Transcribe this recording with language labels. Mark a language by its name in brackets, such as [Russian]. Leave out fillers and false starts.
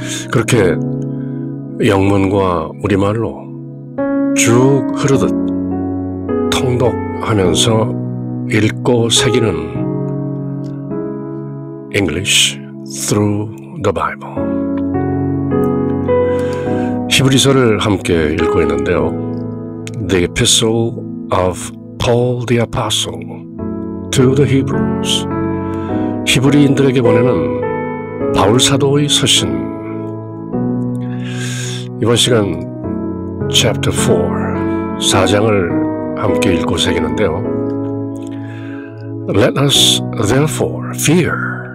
[Korean] 그렇게 영문과 우리말로 쭉 흐르듯 통독하면서 읽고 새기는 [English] English through the Bible. [Korean] 히브리서를 함께 읽고 있는데요. [English] The Epistle of Paul the Apostle to the Hebrews. [Korean] 히브리인들에게 보내는 바울사도의 서신. 이번 시간 Chapter 4, 4장을 함께 읽고 새기는데요. [English] Let us therefore fear.